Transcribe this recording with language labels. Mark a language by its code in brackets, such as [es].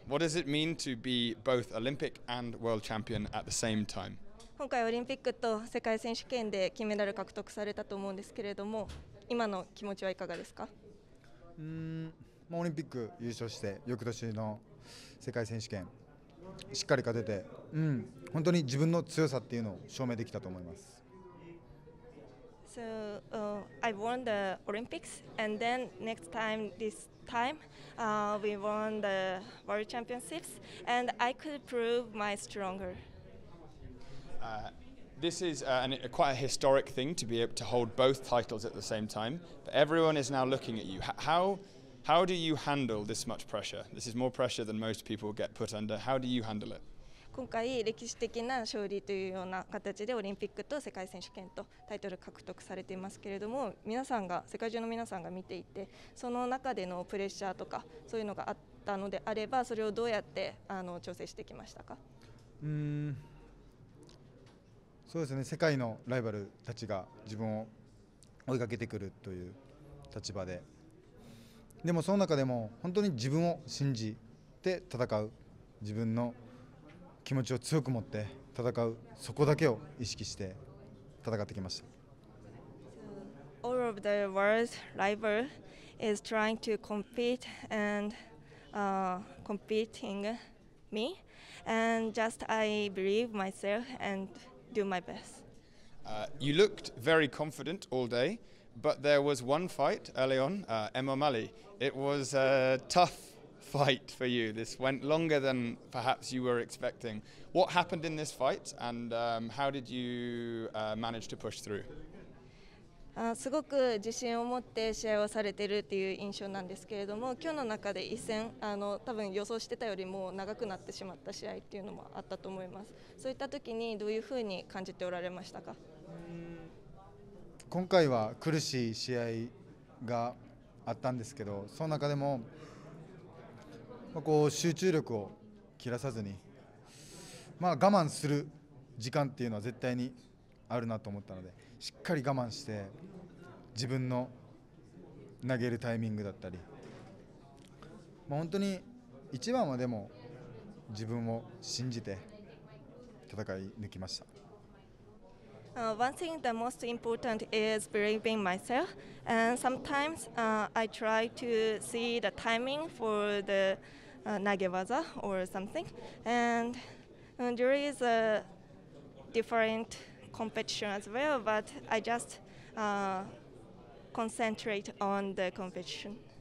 [en] What does it mean to be both Olympic and world champion at the same time? [ja] 今回オリンピックと世界選手権で金メダル獲得されたと思うんですけれども、今の気持ちはいかがですか？オリンピック優勝して、翌年の世界選手権しっかり勝てて、本当に自分の強さっていうのを証明できたと思います。 [en] So I won the Olympics, and then next time, this time, we won the World Championships, and I could prove my stronger. This is quite a historic thing to be able to hold both titles at the same time. But everyone is now looking at you. How do you handle this much pressure? This is more pressure than most people get put under. How do you handle it? [ja] 今回歴史的な勝利というような形でオリンピックと世界選手権とタイトル獲得されていますけれども、皆さんが世界中の皆さんが見ていて、その中でのプレッシャーとかそういうのがあったのであれば、それをどうやって調整してきましたか？そうですね、世界のライバルたちが自分を追いかけてくるという立場で、でもその中でも本当に自分を信じて戦う、自分の気持ちを強く持って戦う、そこだけを意識して戦ってきました。 [en] All of the world's rival is trying to compete and competing me, and just I believe myself and do my best. You looked very confident all day, but there was one fight early on, Emma O'Malley. It was a toughfight for you. This went longer than perhaps you were expecting. What happened in this fight, and how did you manage to push through? [ja] すごく自信を持って試合をされているという印象なんですけれども、今日の中で一戦、多分予想してたよりも長くなってしまった試合っていうのもあったと思います。そういった時にどういうふうに感じておられましたか？今回は苦しい試合があったんですけど、その中でも集中力を切らさずに、我慢する時間っていうのは絶対にあるなと思ったので、しっかり我慢して自分の投げるタイミングだったり、本当に一番はでも自分を信じて戦い抜きました。 [en] One thing that most important is believing myself, and sometimes I try to see the timing for theNagewaza or something, and there is a different competition as well, but I just concentrate on the competition.